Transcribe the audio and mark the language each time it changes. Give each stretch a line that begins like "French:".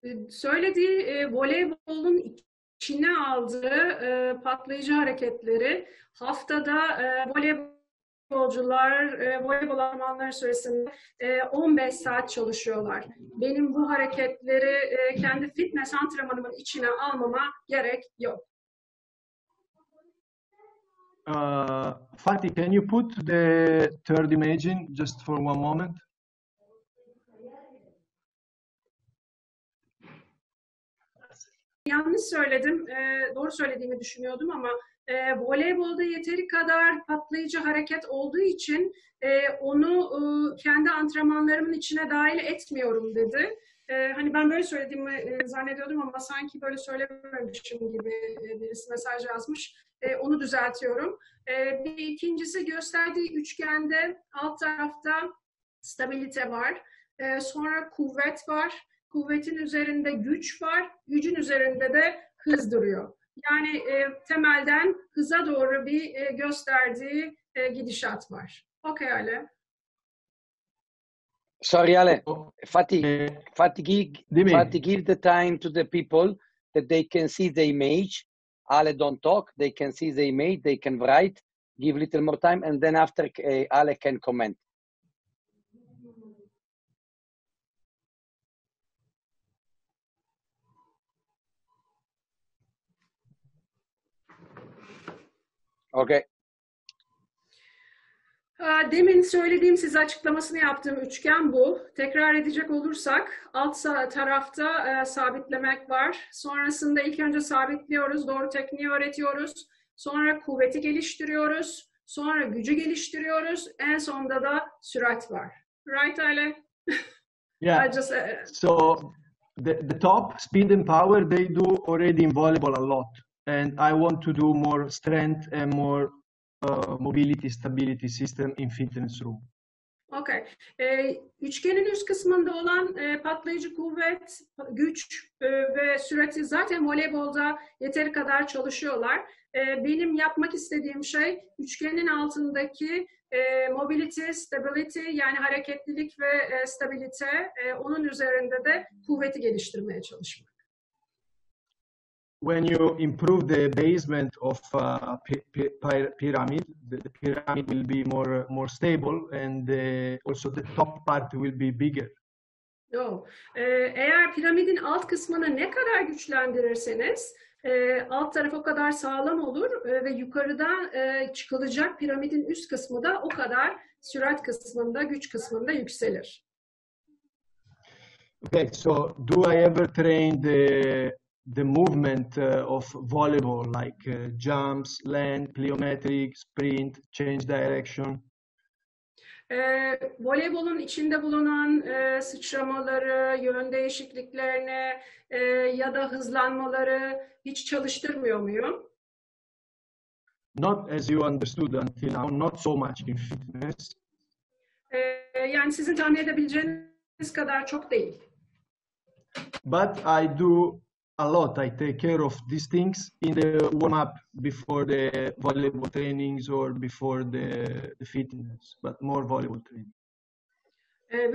Turkish: Söylediği voleybolun içine aldığı patlayıcı hareketleri haftada voleybolcular voleybol antrenmanları süresinde 15 saat çalışıyorlar. Benim bu hareketleri kendi fitness antrenmanımın içine almama gerek yok.
English: Fatih, can you put the third image in just for one moment?
Turkish: Yanlış söyledim, doğru söylediğimi düşünüyordum ama voleybolda yeteri kadar patlayıcı hareket olduğu için onu kendi antrenmanlarımın içine dahil etmiyorum dedi. Hani ben böyle söylediğimi zannediyordum ama sanki böyle söylememişim gibi birisi mesaj yazmış. Onu düzeltiyorum. Bir ikincisi gösterdiği üçgende alt tarafta stabilite var, sonra kuvvet var. Kuvvetin üzerinde güç var, gücün üzerinde de hız duruyor. Yani temelden hıza doğru bir gösterdiği gidişat var.
English: Okay Ale. Sorry Ale. Fatih give the time to the people that they can see the image. Ale don't talk, they can see the image, they can write, give little more time and then after Ale can comment. Okay.
Turkish: Demin söylediğim, size açıklamasını yaptığım üçgen bu. Tekrar edecek olursak, alt tarafta sabitlemek var. Sonrasında ilk önce sabitliyoruz, doğru tekniği öğretiyoruz. Sonra kuvveti geliştiriyoruz. Sonra gücü geliştiriyoruz. En sonunda da sürat var.
English: Right, Ale? Yeah. So, the top, speed and power, they do already in volleyball a lot. And I want to do more strength and more mobility, stability system in fitness room. Okay.
Turkish: Üçgenin üst kısmında olan patlayıcı kuvvet, güç ve süreti zaten voleybolda yeteri kadar çalışıyorlar. Benim yapmak istediğim şey üçgenin altındaki mobility, stability, yani hareketlilik ve stabilite, onun üzerinde de kuvveti geliştirmeye çalışmak.
English: When you improve the basement of pyramid, the pyramid will be more stable and also the top part will be bigger. No.
Turkish: Eğer piramidin alt kısmını ne kadar güçlendirirseniz, alt taraf o kadar sağlam olur ve yukarıdan çıkılacak piramidin üst kısmı da o kadar sürat kısmında, güç kısmında yükselir.
English: Okay, so do I ever train the movement of volleyball, like jumps, land, plyometric, sprint, change direction.
Turkish: Voleybolun içinde bulunan sıçramaları, yön değişikliklerini ya da hızlanmaları hiç çalıştırmıyor muyum?
English: Not as you understood until now, not so much in fitness.
Turkish: Yani sizin tahmin edebileceğiniz kadar çok değil.
English: But I do a lot. I take care of these things in the warm-up before the volleyball trainings or before the fitness, but more volleyball training.